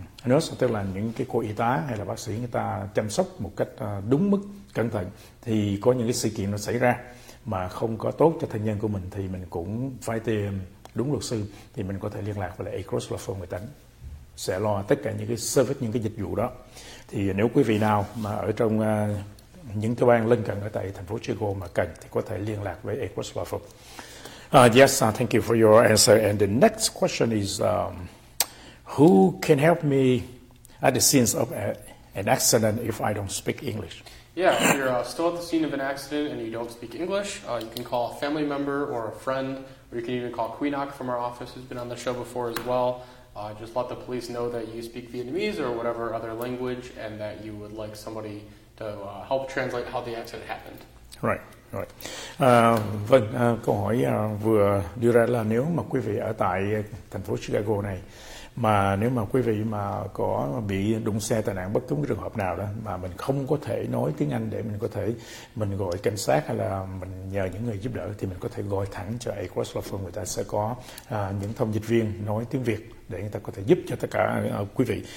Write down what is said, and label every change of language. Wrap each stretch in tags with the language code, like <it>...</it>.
<vi>nurse, tức là những cái cô y tá hay là bác sĩ người ta chăm sóc một cách đúng mức, cẩn thận, thì có những cái sự kiện nó xảy ra mà không có tốt cho thân nhân của mình, thì mình cũng phải tìm đúng luật sư, thì mình có thể liên lạc với lại Agruss Law Firm, người ta sẽ lo tất cả những cái service, những cái dịch vụ đó. Thì nếu quý vị nào mà ở trong những cái bang lân cận ở tại thành phố Chicago mà cần, thì có thể liên lạc với Agruss Law Firm.</vi> <en>Yes, thank you for your answer. And the next question is, who can help me at the scene of an accident if I don't speak English? Yeah, if you're still at the scene of an accident and you don't speak English, you can call a family member or a friend, or you can even call Quinoc from our office, who's been on the show before as well. Just let the police know that you speak Vietnamese or whatever other language, and that you would like somebody to help translate how the accident happened. Right, right.</en> <vi>Vâng, câu hỏi vừa đưa ra là nếu mà quý vị ở tại thành phố Chicago này mà nếu mà quý vị mà có bị đụng xe tai nạn bất cứ trường hợp nào đó mà mình không có thể nói tiếng Anh để mình có thể mình gọi cảnh sát hay là mình nhờ những người giúp đỡ, thì mình có thể gọi thẳng cho Agruss Law, người ta sẽ có những thông dịch viên nói tiếng Việt để người ta có thể giúp cho tất cả quý vị.</vi>